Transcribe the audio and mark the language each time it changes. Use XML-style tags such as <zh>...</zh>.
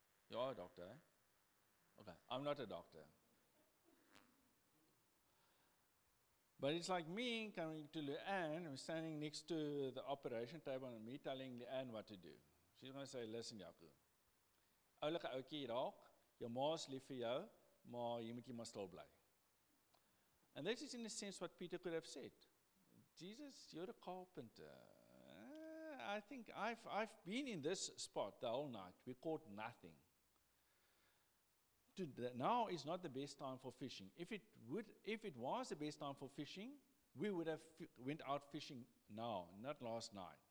<en>You are a doctor, eh? Okay, I'm not a doctor. But it's like me coming to Leanne, who's standing next to the operation table, and me telling Leanne what to do. She's going to say, listen, Jaco.</en> <af>Oulike ouwtjie raak, jou ma's lief vir jou, maar jy moet jou maar stil bly.</af> <en>And this is, in a sense, what Peter could have said. Jesus, you're a carpenter. I think I've been in this spot the whole night. We caught nothing. Now is not the best time for fishing. If it was the best time for fishing, we would have went out fishing now, not last night.</en>